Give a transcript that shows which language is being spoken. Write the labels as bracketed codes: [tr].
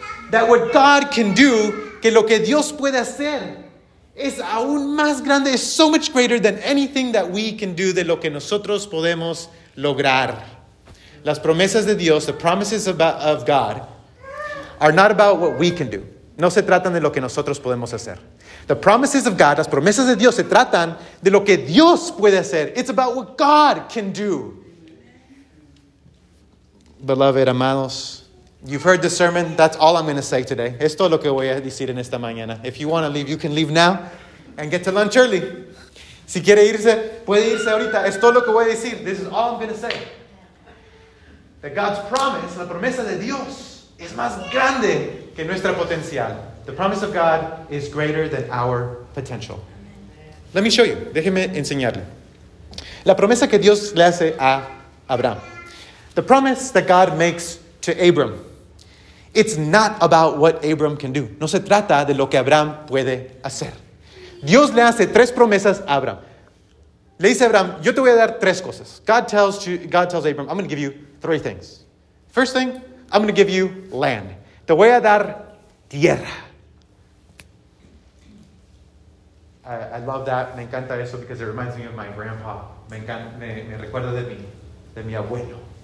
[en] That what God can do, [es] que lo que Dios puede hacer, es aún más grande, [en] is so much greater than anything that we can do, [es] de lo que nosotros podemos lograr. Las promesas de Dios, [en] the promises of God, are not about what we can do. [es] No se tratan de lo que nosotros podemos hacer. [en] The promises of God, [es] las promesas de Dios, se tratan de lo que Dios puede hacer. [en] It's about what God can do. Beloved, amados, you've heard the sermon. That's all I'm going to say today. [es] Esto es lo que voy a decir en esta mañana. [en] If you want to leave, you can leave now and get to lunch early. [es] Si quiere irse, puede irse ahorita. Esto es lo que voy a decir. [en] This is all I'm going to say. That God's promise, [es] la promesa de Dios, es más grande que nuestro potencial. [en] The promise of God is greater than our potential. Let me show you. [es] Déjeme enseñarle. La promesa que Dios le hace a Abraham. [en] The promise that God makes to Abram. It's not about what Abram can do. [es] No se trata de lo que Abraham puede hacer. Dios le hace tres promesas a Abraham. Le dice a Abraham, yo te voy a dar tres cosas. [en] God tells Abram, I'm going to give you three things. First thing, I'm going to give you land. [es] Te voy a dar tierra. [en] I love that. [es] Me encanta eso [en] because it reminds me of my grandpa. [es] Me recuerda de mi abuelo.